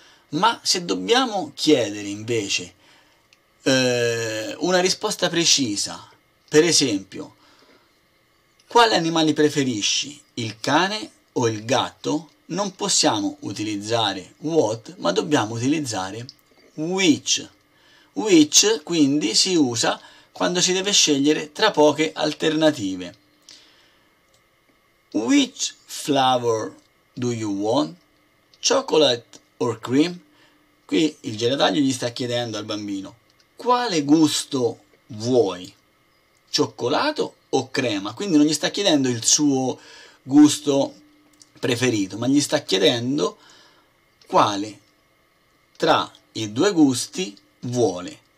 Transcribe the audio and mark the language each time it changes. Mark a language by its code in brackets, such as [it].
[it] Ma se dobbiamo chiedere invece una risposta precisa, per esempio, quale animale preferisci, il cane o il gatto? Non possiamo utilizzare what, ma dobbiamo utilizzare which. Which quindi si usa quando si deve scegliere tra poche alternative. [en] Which flower do you want? Chocolate or cream? [it] Qui il gelataio gli sta chiedendo al bambino: quale gusto vuoi? Cioccolato o crema? Quindi non gli sta chiedendo il suo gusto preferito, ma gli sta chiedendo quale tra i due gusti vuole.